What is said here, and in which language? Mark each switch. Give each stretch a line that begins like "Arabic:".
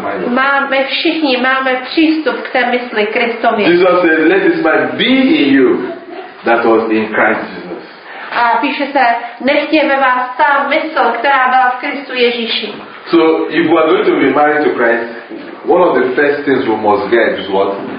Czech: My všichni, máme přístup k té mysli Kristově.
English: Jesus says, let this mind be in you. That was in Christ Jesus.
Czech: A píše se, nechtě ve vás ta mysl, která byla v Kristu Ježíši.
English: So if we are going to be married to Christ, one of the first things we must get is what?